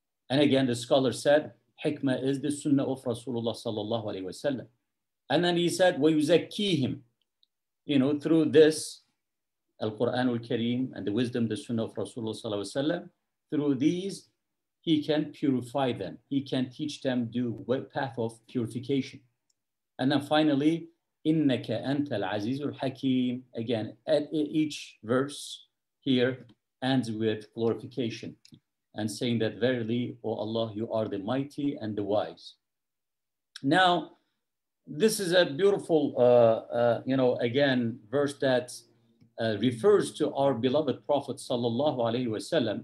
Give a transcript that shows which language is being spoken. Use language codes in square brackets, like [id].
[en] And again, the scholar said, hikmah is the sunnah of Rasulullah sallallahu alayhi wa sallam. And then he said, وَيُزَكِّيهِمْ, you know, through this, Al-Quran al-Kareem and the wisdom, the sunnah of Rasulullah sallallahu alayhi wa sallam, through these, he can purify them. He can teach them do what path of purification. [ar] And then finally, إِنَّكَ أَنْتَ الْعَزِيزُ الْحَكِيمُ. [en] Again, at each verse here ends with glorification and saying that verily, O Allah, you are the mighty and the wise. Now, this is a beautiful, again, verse that refers to our beloved Prophet sallallahu alaihi wasallam.